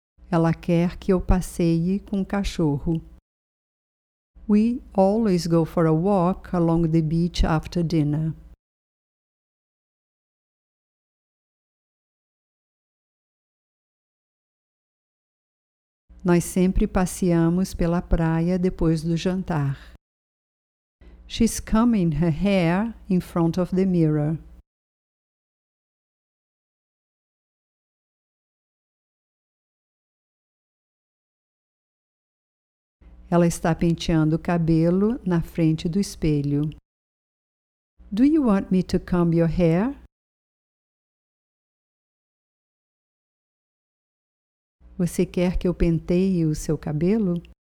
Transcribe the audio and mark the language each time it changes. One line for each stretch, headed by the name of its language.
Portuguese: Ela quer que eu passeie com o cachorro.
English: We always go for a walk along the beach after dinner.
Portuguese: Nós sempre passeamos pela praia depois do jantar.
English: She's combing her hair in front of the mirror.
Portuguese: Ela está penteando o cabelo na frente do espelho.
English: Do you want me to comb your hair?
Portuguese: Você quer que eu penteie o seu cabelo?